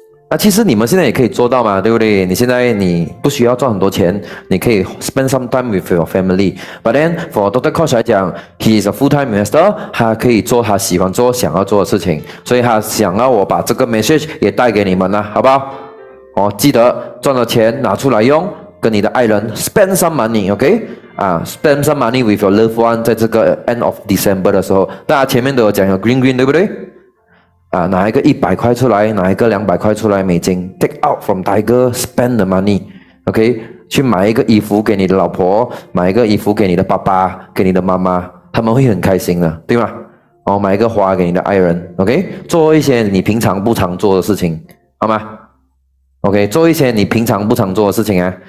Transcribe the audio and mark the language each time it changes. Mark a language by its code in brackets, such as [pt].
[zh] 那其实你们现在也可以做到嘛，对不对？你现在你不需要赚很多钱，你可以 [en] spend some time with your family。 But then for Dr. [zh] Cost 来讲 ， [en] he is a full time investor， [zh] 他可以做他喜欢做、想要做的事情，所以他想要我把这个 message 也带给你们呢，好不好？哦，记得赚了钱拿出来用，跟你的爱人 [en] spend some money， [zh] OK？ [en] spend some money with your loved one， [zh] 在这个 [en] end of December [zh] 的时候，大家前面都有讲有 green green， 对不对？啊，拿一个100块出来，拿一个200块出来美金 ， [en] take out from Tiger，spend the money， [zh] OK，、okay? 去买一个衣服给你的老婆，买一个衣服给你的爸爸，给你的妈妈，他们会很开心的，对吗？哦，买一个花给你的爱人 ，OK， 做一些你平常不常做的事情，好吗 ？OK， 做一些你平常不常做的事情啊，